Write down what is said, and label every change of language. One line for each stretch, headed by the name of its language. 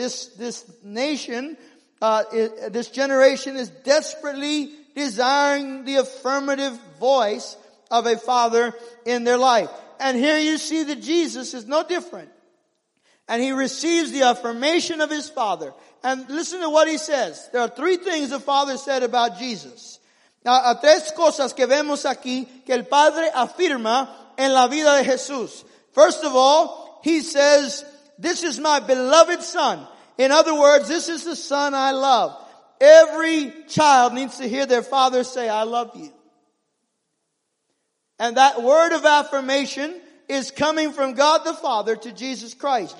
English: This nation, this generation is desperately desiring the affirmative voice of a father in their life. And here you see that Jesus is no different. And he receives the affirmation of his father. And listen to what he says. There are three things the Father said about Jesus.
Spanish: Tres cosas que vemos aquí que el Padre afirma en la vida de Jesús.
English: First of all, he says, this is my beloved Son. In other words, this is the Son I love. Every child needs to hear their father say, I love you. And that word of affirmation is coming from God the Father to Jesus Christ.